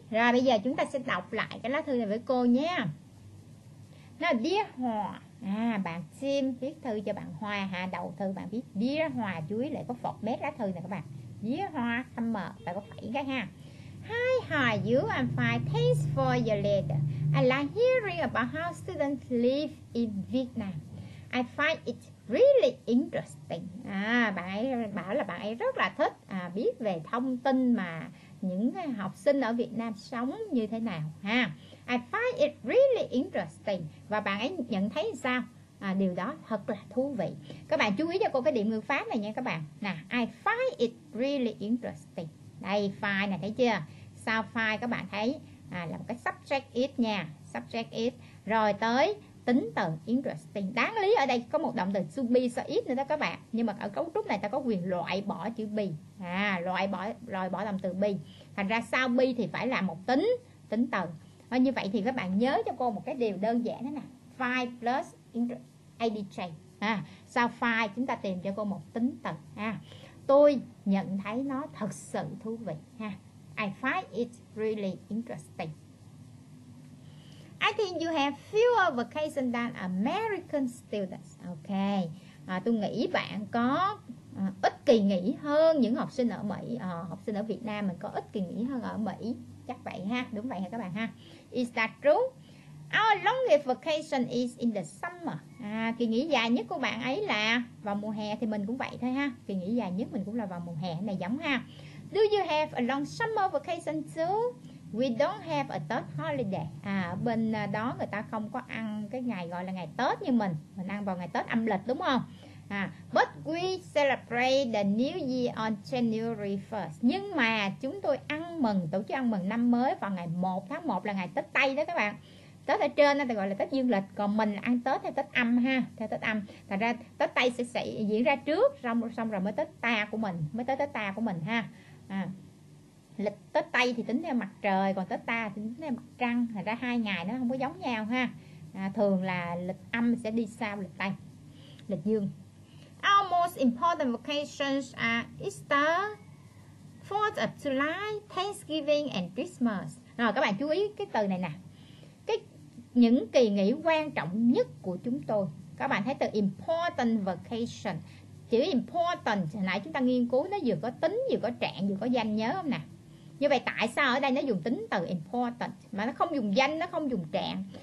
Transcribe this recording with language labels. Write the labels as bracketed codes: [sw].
[vi] Rồi, bây giờ chúng ta sẽ đọc lại cái lá thư này với cô nha. [en] Now, Dear Hoa. [vi] Bạn Tim viết thư cho bạn Hoa ha. Đầu thư bạn viết Dear Hoa, chú ý lại có phọt mét lá thư này các bạn. Dear Hoa, summer, phải có phẩy cái ha. [en] Hi, how are you? I'm fine. Thanks for your letter. I like hearing about how students live in Vietnam. I find it really interesting. [vi] Bạn ấy bảo là bạn ấy rất là thích biết về thông tin mà những học sinh ở Việt Nam sống như thế nào ha. [en] I find it really interesting. [vi] Và bạn ấy nhận thấy sao? Điều đó thật là thú vị. Các bạn chú ý cho cô cái điểm ngữ pháp này nha các bạn. Nào, [en] I find it really interesting. [vi] Đây, find này thấy chưa? Sao find các bạn thấy là một cái subject is nha. Subject is. Rồi tới tính từ interesting. Đáng lý ở đây có một động từ to be so is nữa đó các bạn. Nhưng mà ở cấu trúc này ta có quyền loại bỏ chữ be. Loại bỏ động từ be. Thành ra sao be thì phải là một tính từ. Và như vậy thì các bạn nhớ cho cô một cái điều đơn giản thế này. [en] Find plus adj. [vi] Sao find chúng ta tìm cho cô một tính từ. Tôi nhận thấy nó thật sự thú vị. [en] I find it really interesting. I think you have fewer vacation than American students. Okay. [vi] Tôi nghĩ bạn có ít kỳ nghỉ hơn những học sinh ở Mỹ. Học sinh ở Việt Nam mình có ít kỳ nghỉ hơn ở Mỹ. Chắc vậy ha. Đúng vậy hả các bạn ha. [en] Is that true? Our longest vacation is in the summer. [vi] Kỳ nghỉ dài nhất của bạn ấy là vào mùa hè thì mình cũng vậy thôi ha. Kỳ nghỉ dài nhất mình cũng là vào mùa hè này giống ha. [en] Do you have a long summer vacation too? We don't have a Tết holiday. [vi] Bên đó người ta không có ăn cái ngày gọi là ngày Tết như mình. Mình ăn vào ngày Tết âm lịch đúng không? [en] But we celebrate the New Year on January 1st. [vi] Nhưng mà chúng tôi ăn mừng, tổ chức ăn mừng năm mới vào ngày 1 tháng 1 là ngày Tết Tây đó các bạn. Tết ở trên người ta gọi là Tết dương lịch. Còn mình ăn Tết theo Tết âm ha. Theo Tết âm. Thật ra Tết Tây sẽ diễn ra trước. Xong rồi mới Tết ta của mình. Mới tới Tết ta của mình ha. Lịch Tết Tây thì tính theo mặt trời, còn Tết ta thì tính theo mặt trăng. Thành ra hai ngày nó không có giống nhau ha. Thường là lịch âm sẽ đi sau lịch Tây, lịch dương. [en] Our most important vacations are Easter, 4th of July, Thanksgiving and Christmas. [vi] Rồi các bạn chú ý cái từ này nè. Những kỳ nghỉ quan trọng nhất của chúng tôi. Các bạn thấy từ important vacation. Chữ important hồi nãy chúng ta nghiên cứu nó vừa có tính, vừa có trạng, vừa có danh, nhớ không nè. Như vậy tại sao ở đây nó dùng tính từ important mà nó không dùng danh, nó không dùng trạng?